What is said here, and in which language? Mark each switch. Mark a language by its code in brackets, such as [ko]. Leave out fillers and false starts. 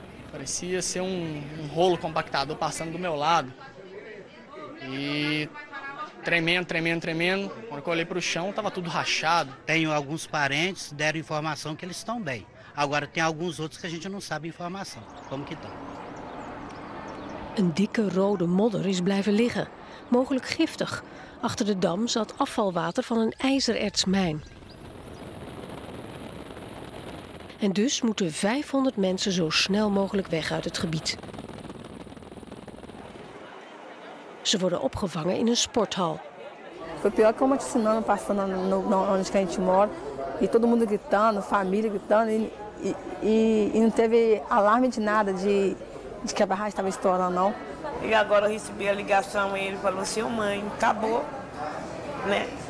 [pt] Parecia ser um rolo compactado passando do meu lado. E tremendo, tremendo, tremendo. Quando eu olhei para o chão, estava tudo rachado. Tenho alguns parentes, deram informação que eles estão bem. Agora tem alguns outros que a gente não sabe informação. Como que estão? [nl] Een dikke rode modder is blijven liggen. Mogelijk giftig. Achter de dam zat afvalwater van een ijzerertsmijn. En dus moeten 500 mensen zo snel mogelijk weg uit het gebied. Ze worden opgevangen in een sporthal. [pt] Foi pior que uma tsunami passando onde que a gente mora. E todo mundo gritando, família gritando. E não teve alarme de nada de que a barragem estava estourando, não. E agora eu recebi a ligação e ele falou assim, mãe, acabou, né?